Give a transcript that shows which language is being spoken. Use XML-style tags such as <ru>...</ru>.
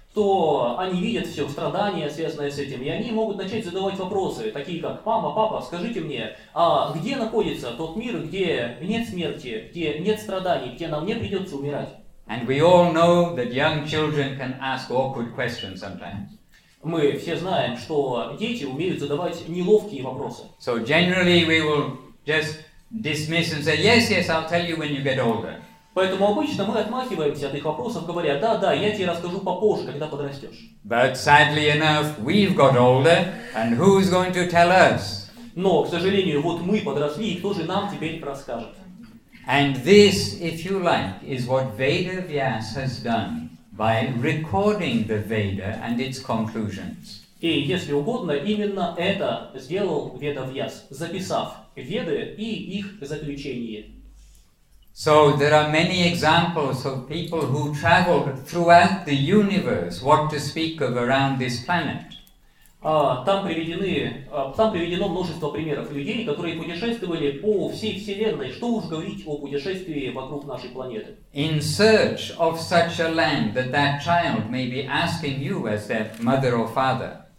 <ru>что они видят все страдания, связанные с этим, и они могут начать задавать вопросы, такие как: «Мама, папа, скажите мне, а где находится тот мир, где нет смерти, где нет страданий, где нам не придется умирать?»</ru> <en>And we all know that young children can ask awkward questions sometimes.</en> <ru>Мы все знаем, что дети умеют задавать неловкие вопросы.</ru> <en>So generally we will just dismiss and say, yes, yes, I'll tell you when you get older.</en> <ru>Поэтому обычно мы отмахиваемся от их вопросов, говоря: да, да, я тебе расскажу попозже, когда подрастешь.</ru> <en>But sadly enough, we've got older, and who's going to tell us?</en> <ru>Но, к сожалению, вот мы подросли, и кто же нам теперь расскажет?</ru> <en>And this, if you like, is what Veda Vyas has done by recording the Veda and its conclusions.</en> <ru>И, если угодно, именно это сделал Веда Вьяс, записав Веды и их заключение.</ru> <en>So there are many examples of people who traveled throughout the universe, what to speak of around this planet.</en> <ru>Там приведено множество примеров людей, которые путешествовали по всей Вселенной, что уж говорить о путешествии вокруг нашей планеты.</ru> <en>In search of such a land that that child may be asking you as their mother or father.</en>